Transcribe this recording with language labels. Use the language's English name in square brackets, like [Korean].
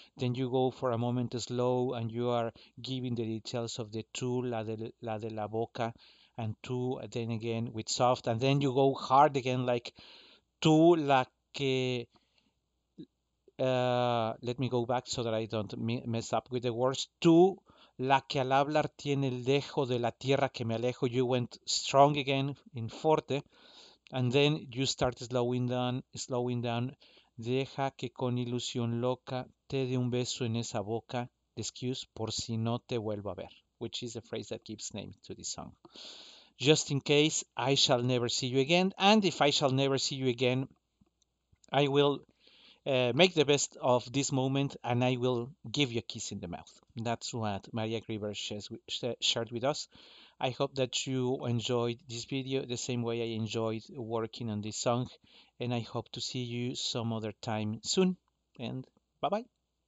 [English] Then you go for a moment slow and you are giving the details of the tú, [Spanish] la de la boca, [English] and tú, then again with soft. And then you go hard again, like [Spanish] tú, la que... [English] let me go back so that I don't mess up with the words. [Spanish] Tú, la que al hablar tiene el dejo de la tierra que me alejo. [English] You went strong again in forte. And then you start slowing down. [Spanish] Deja que con ilusión loca te dé un beso en esa boca. Excuse, por si no te vuelvo a ver. [English] Which is the phrase that gives name to this song. Just in case I shall never see you again. And if I shall never see you again, I will... make the best of this moment, and I will give you a kiss in the mouth. That's what Maria Grieber shared with us. I hope that you enjoyed this video the same way I enjoyed working on this song, and I hope to see you some other time soon. And bye-bye.